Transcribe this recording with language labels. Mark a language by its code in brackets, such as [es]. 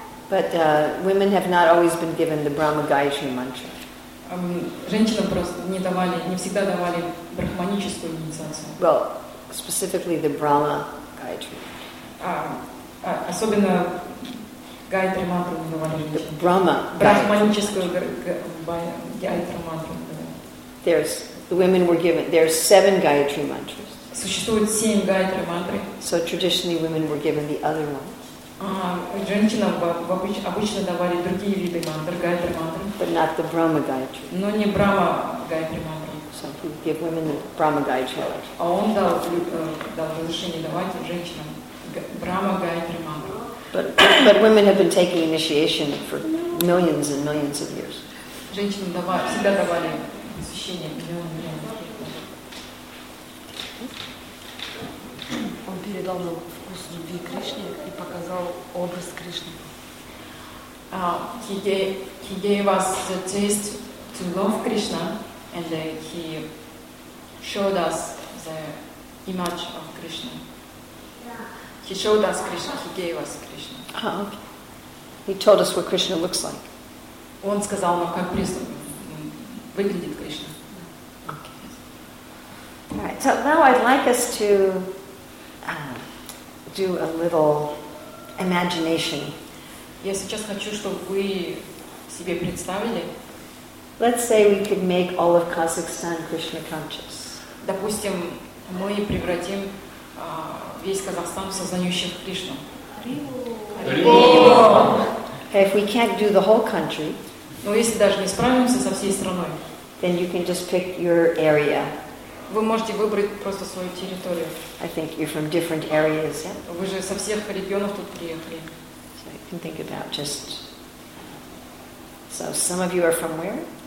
[en] But women have not always been given the Brahma Gayatri Mantra. [ru] Женщинам просто не давали, не всегда давали брахманическую инициацию. [en] Well, specifically the Brahma Gayatri. [ru] Особенно Гайтри Мантру не давали. [en] Brahma. [ru] Брахманическую Гайтри Мантру. [en] There's the women were given. There's 7 Gayatri Mantras. [ru] Существует 7 гайтри мантры. [en] So traditionally women were given the other ones. [ru] Женщинам обычно давали другие виды мантр, гайтри мантры. [en] But not the Brahma Gayatri. [ru] Но не Брахма гайтри мантры. [en] So he gave women the Brahma Gayatri. [ru] А он дал разрешение давать женщинам Брахма гайтри мантры. [en] But women have been taking initiation for millions and millions of years. [ru] Женщинам всегда давали посвящение миллионы лет. Передал нам вкус любви Кришне и показал образ Кришны. [en] He gave us the taste to love Krishna, and he showed us the image of Krishna. He showed us Krishna. He gave us Krishna. Okay. He told us what Krishna looks like. [ru] Он сказал нам, как выглядит Кришна. [en] Okay. All right. So now I'd like us to do a little imagination. [ru] Я сейчас хочу, чтобы вы себе представили. [en] Let's say we could make all of Kazakhstan Krishna conscious. [ru] Допустим, мы превратим весь Казахстан в сознающих Кришну. [en] Okay, if we can't do the whole country, [ru] но если даже не справимся со всей страной, [en] then you can just pick your area. [ru] Вы можете выбрать просто свою территорию. [en] I think you're from different areas, yeah? [ru] Вы же со всех регионов тут приехали. [en] So you can think about just... So some of you are from where?